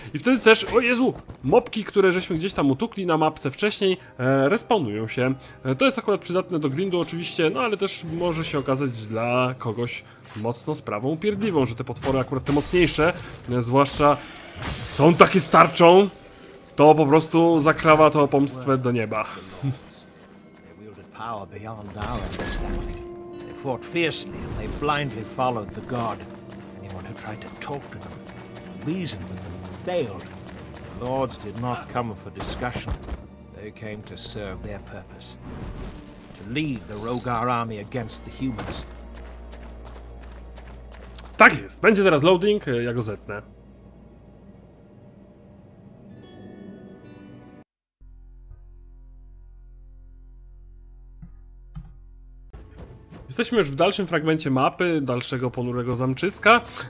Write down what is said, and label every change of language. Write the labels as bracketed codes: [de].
[pl] I wtedy też, o Jezu, mobki, które żeśmy gdzieś tam utukli na mapce wcześniej, respawnują się. To jest akurat przydatne do grindu oczywiście, no ale też może się okazać dla kogoś mocno sprawą upierdliwą, że te potwory akurat te mocniejsze, zwłaszcza są takie starczą. To po prostu zakrawa to pomstwę do nieba. [en] They wielded power beyond our understanding. They fought fiercely and they blindly followed the god. Anyone who tried to talk to them, reason with them, failed. The lords did not come for discussion. They came to serve their purpose. To lead the Rogar army against the humans. [pl] Tak jest. Będzie teraz loading, ja go zetnę. Jesteśmy już w dalszym fragmencie mapy, dalszego ponurego zamczyska.